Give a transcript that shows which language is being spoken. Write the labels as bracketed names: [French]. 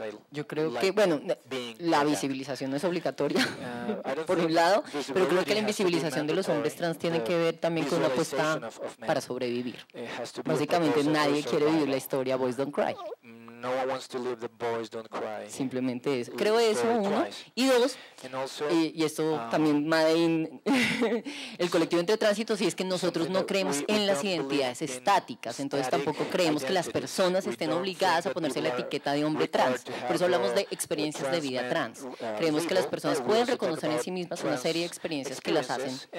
[Spanish] Yo creo que, bueno, la visibilización no es obligatoria, por un lado, pero creo que la invisibilización de los hombres trans tiene que ver también con una apuesta para sobrevivir. Básicamente nadie quiere vivir la historia Boys Don't Cry. [English] No one wants to live the boys don't cry. [Spanish] Simplemente eso. Creo eso, uno. Y dos, y esto también el colectivo entre tránsitos, y es que nosotros no creemos en las identidades estáticas. Entonces tampoco creemos que las personas estén obligadas a ponerse la etiqueta de hombre trans. Por eso hablamos de experiencias de vida trans. Creemos que las personas pueden reconocer en sí mismas una serie de experiencias que las hacen.